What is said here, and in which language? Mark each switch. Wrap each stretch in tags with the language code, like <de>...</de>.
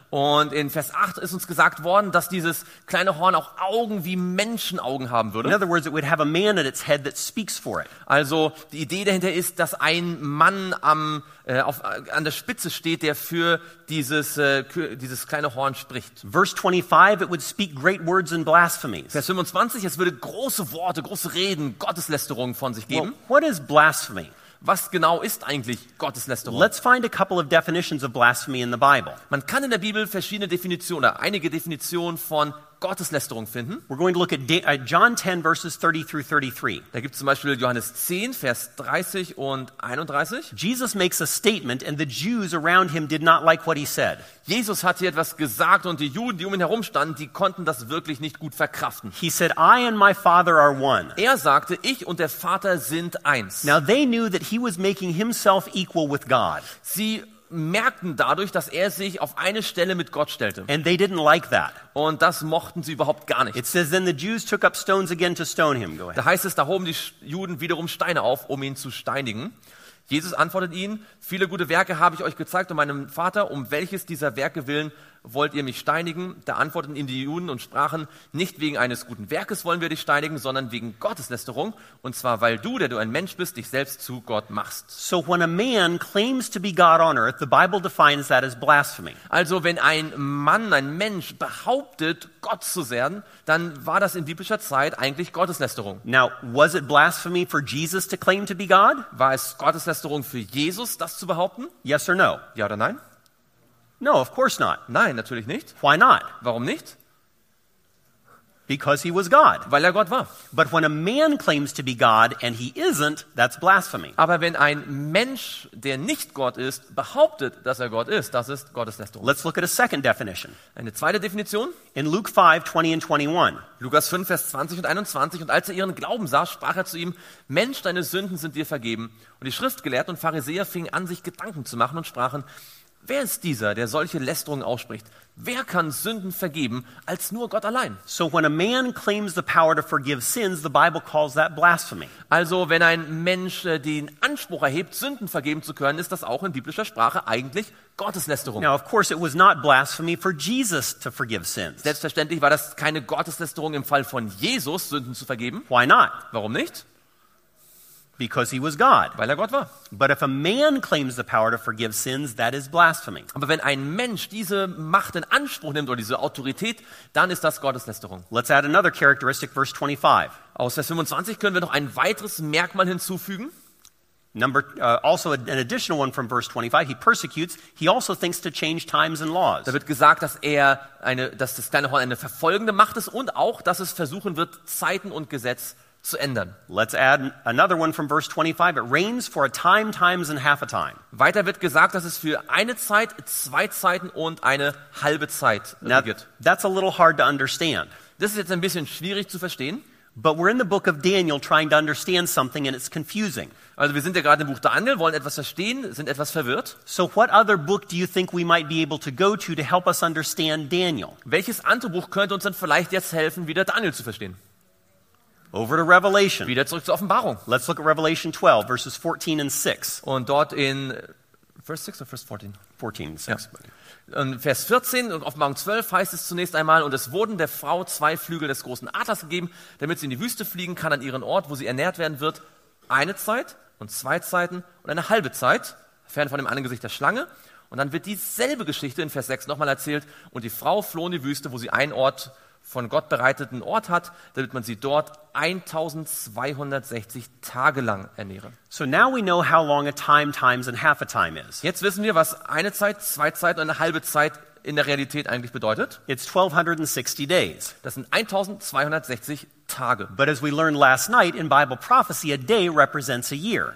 <de>Und in Vers 8 ist uns gesagt worden, dass dieses kleine Horn auch Augen wie Menschenaugen haben würde.</de> <en>In other words, it would have a man at its head that speaks for it.</en> <de>Also die Idee dahinter ist, dass ein Mann an der Spitze steht, der für dieses kleine Horn spricht.</de> <en>Verse 25, it would speak great words and blasphemies.</en> <de>Vers 25, es würde große Worte, große Reden, Gotteslästerungen von sich geben.</de> <en>Well, what is blasphemy?</en> <de>Was genau ist eigentlich Gotteslästerung?</de> <en>Let's find a couple of definitions of blasphemy in the Bible.</en> <de>Man kann in der Bibel verschiedene Definitionen oder einige Definitionen von Gotteslästerung finden.</de> <en>We're going to look at John 10 verses 30 through 33.</en> <de>Da gibt's zum Beispiel Johannes 10 Vers 30 und 31.</de> <en>Jesus makes a statement and the Jews around him did not like what he said.</en> <de>Jesus hat hier etwas gesagt und die Juden, die um ihn herum standen, die konnten das wirklich nicht gut verkraften.</de> <en>He said, I and my Father are one.</en> <de>Er sagte, ich und der Vater sind eins.</de> <en>Now they knew that he was making himself equal with God.</en> <de>Sie merkten dadurch, dass er sich auf eine Stelle mit Gott stellte.</de> <en>And they didn't like that.</en> <de>Und das mochten sie überhaupt gar nicht.</de> <en>It says then the Jews took up stones again to stone him.</en> <de>Da heißt es, da hoben die Juden wiederum Steine auf, um ihn zu steinigen. Jesus antwortet ihnen, viele gute Werke habe ich euch gezeigt und meinem Vater, um welches dieser Werke willen wollt ihr mich steinigen? Da antworteten ihm die Juden und sprachen, nicht wegen eines guten Werkes wollen wir dich steinigen, sondern wegen Gotteslästerung, und zwar weil du, der du ein Mensch bist, dich selbst zu Gott machst.</de> <en>So when a man claims to be God on earth, the Bible defines that as blasphemy.</en> <de>Also wenn ein Mann, ein Mensch behauptet, Gott zu sein, dann war das in biblischer Zeit eigentlich Gotteslästerung.</de> <en>Now, was it blasphemy for Jesus to claim to be God?</en> <de>War es Gotteslästerung für Jesus, das zu behaupten?</de> <en>Yes or no?</en> <de>Ja oder nein?</de> <en>No, of course not.</en> <de>Nein, natürlich nicht.</de> <en>Why not?</en> <de>Warum nicht?</de> <en>Because he was God.</en> <de>Weil er Gott war.</de> <en>But when a man claims to be God and he isn't, that's blasphemy.</en> <de>Aber wenn ein Mensch, der nicht Gott ist, behauptet, dass er Gott ist, das ist Gotteslästerung.</de> <en>Let's look at a second definition.</en> <de>Eine zweite Definition.</de> <en>In Luke 5, 20 and 21.</en> <de>Lukas 5, Vers 20 und 21. Und als er ihren Glauben sah, sprach er zu ihm, Mensch, deine Sünden sind dir vergeben. Und die Schriftgelehrten und Pharisäer fingen an, sich Gedanken zu machen und sprachen, wer ist dieser, der solche Lästerungen ausspricht? Wer kann Sünden vergeben als nur Gott allein?</de> <en>So when a man claims the power to forgive sins, the Bible calls that blasphemy.</en> <de>Also wenn ein Mensch den Anspruch erhebt, Sünden vergeben zu können, ist das auch in biblischer Sprache eigentlich Gotteslästerung.</de> <en>Now of course it was not blasphemy for Jesus to forgive sins.</en> <de>Selbstverständlich war das keine Gotteslästerung im Fall von Jesus, Sünden zu vergeben.</de> <en>Why not?</en> <de>Warum nicht?</de> <en>Because he was God.</en> <de>Weil er Gott war.</de> <en>But if a man claims the power to forgive sins, that is blasphemy.</en> <de>Aber wenn ein Mensch diese Macht in Anspruch nimmt oder diese Autorität, dann ist das Gotteslästerung.</de> <en>Let's add another characteristic, verse 25.</en> <de>Aus Vers 25 können wir noch ein weiteres Merkmal hinzufügen.</de> <en>Also an additional one from verse 25. He persecutes. He also thinks to change times and laws.</en> <de>Da wird gesagt, dass er dass das kleine Horn eine verfolgende Macht ist und auch, dass es versuchen wird, Zeiten und Gesetz zu ändern.</de> <en>Let's add another one from verse 25. It rains for a time, times and half a time.</en> <de>Weiter wird gesagt, dass es für eine Zeit, zwei Zeiten und eine halbe Zeit regnet.</de> <en>That's a little hard to understand.</en> <de>Das ist jetzt ein bisschen schwierig zu verstehen.</de> <en>But we're in the book of Daniel trying to understand something and it's confusing.</en> <de>Also wir sind ja gerade im Buch Daniel, wollen etwas verstehen, sind etwas verwirrt.</de> <en>So what other book do you think we might be able to go to help us understand Daniel?</en> <de>Welches andere Buch könnte uns dann vielleicht jetzt helfen, wieder Daniel zu verstehen?</de> <en>Over to Revelation.</en> <de>Wieder zurück zur Offenbarung.</de> <en>Let's look at Revelation 12, verses 14 and 6.</en> <de>Und dort in Vers 6 oder Vers 14? 14, 6. Ja. Und Vers 14 und Offenbarung 12 heißt es zunächst einmal, und es wurden der Frau zwei Flügel des großen Adlers gegeben, damit sie in die Wüste fliegen kann an ihren Ort, wo sie ernährt werden wird, eine Zeit und zwei Zeiten und eine halbe Zeit, fern von dem Angesicht der Schlange. Und dann wird dieselbe Geschichte in Vers 6 nochmal erzählt, und die Frau floh in die Wüste, wo sie einen Ort von Gott bereiteten Ort hat, damit man sie dort 1260 Tage lang ernähre.</de> <en>So now we know how long a time, times and half a time is.</en> <de>Jetzt wissen wir, was eine Zeit, zwei Zeit und eine halbe Zeit in der Realität eigentlich bedeutet.</de> <en>It's 1260 days.</en> <de>Das sind 1260 Tage.</de> <en>But as we learned last night in Bible prophecy, a day represents a year.</en>